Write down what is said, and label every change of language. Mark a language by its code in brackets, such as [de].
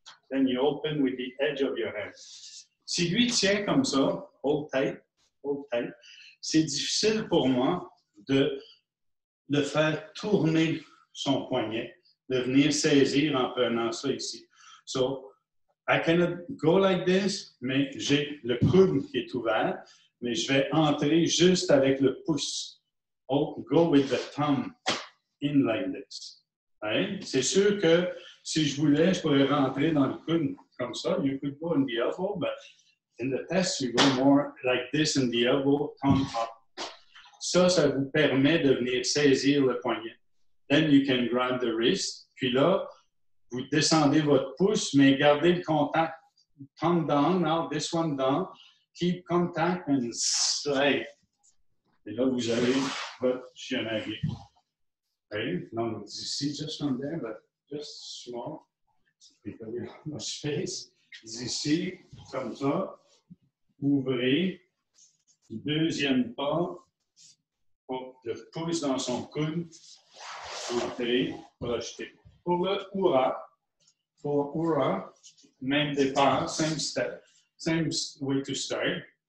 [en] Then you open with the edge of your hand. [fr] Si lui tient comme ça, [en] hold tight, [fr] c'est difficile pour moi de faire tourner son poignet, de venir saisir en prenant ça ici. [en] So, I cannot go like this, [fr] mais j'ai le coude qui est ouvert, mais je vais entrer juste avec le pouce. [en] Oh, go with the thumb in like this. Hein? [fr] C'est sûr que si je voulais, je pourrais rentrer dans le coude comme ça. [en] You could go in the elbow, but in the test, you go more like this in the elbow, thumb up. [fr] Ça vous permet de venir saisir le poignet. [en] Then you can grab the wrist. [fr] Puis là, vous descendez votre pouce, mais gardez le contact. [en] Thumb down, now this one down. Keep contact and slide. [fr] Et là, vous avez votre shiranage. [en] Okay, [fr] non, d'ici, [en] just from there, but just small, because you have much space. [fr] D'ici, comme ça, ouvrez, deuxième pas, le pouce dans son coude, entrez, projetez. Pour le Ura, même départ, [en] same step, same way to start.